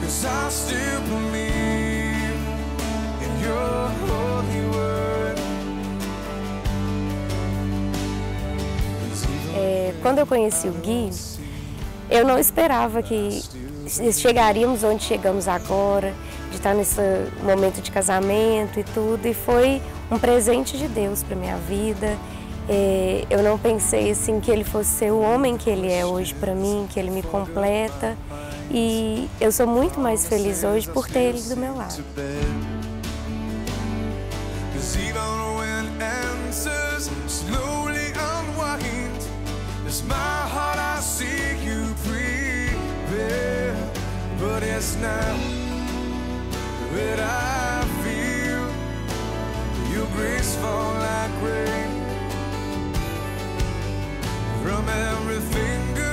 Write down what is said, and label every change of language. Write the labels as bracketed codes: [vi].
[en] I still believe in your holy word. [pt] Quando eu conheci o Gui, eu não esperava que chegaríamos onde chegamos agora, de estar nesse momento de casamento e tudo, e foi um presente de Deus para minha vida. Eu não pensei assim que ele fosse ser o homem que ele é hoje para mim, que ele me completa. E eu sou muito mais feliz hoje por ter ele do meu lado. [en] Because even when answers slowly unwind, it's my heart I see you prepare. But it's now that I feel your grace fall like rain from everything.